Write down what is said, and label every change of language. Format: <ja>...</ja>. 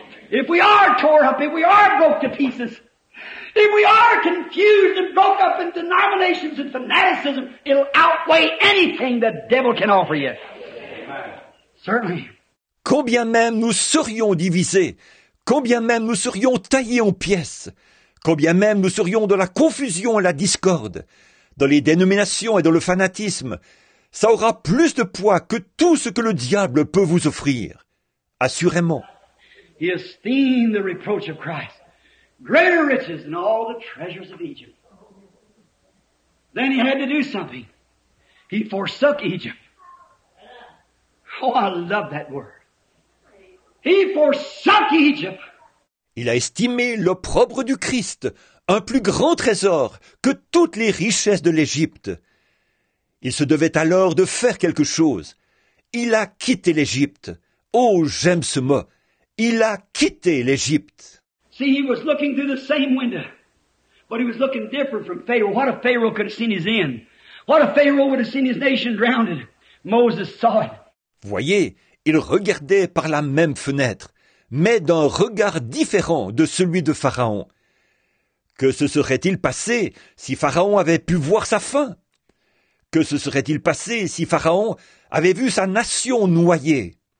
<en>If we are tore up, if we are broke to pieces, if we are confused and broke up in denominations and fanaticism, it'll outweigh anything the devil can offer you. Certainly.</en> <fr>Combien même nous serions divisés, combien même nous serions taillés en pièces, combien même nous serions dans la confusion et la discorde, dans les dénominations et dans le fanatisme, ça aura plus de poids que tout ce que le diable peut vous offrir, assurément.</fr> <en>He esteemed the reproach of Christ greater riches than all the treasures of Egypt. Then he had to do something. He forsook Egypt. Oh, I love that word. He forsook Egypt.</en> <fr>Il a estimé l'opprobre du Christ un plus grand trésor que toutes les richesses de l'Égypte. Il se devait alors de faire quelque chose. Il a quitté l'Égypte. Oh, j'aime ce mot. Il a quitté l'Égypte.</fr> <en>See, he was looking through the same window, but he was looking different from Pharaoh. What a Pharaoh could have seen his end. What a Pharaoh would have seen his nation drowned. Moses saw it.</en> <fr>Voyez, il regardait par la même fenêtre, mais d'un regard différent de celui de Pharaon. Que se serait-il passé si Pharaon avait pu voir sa fin? Que se serait-il passé si Pharaon avait vu sa nation noyée?</fr>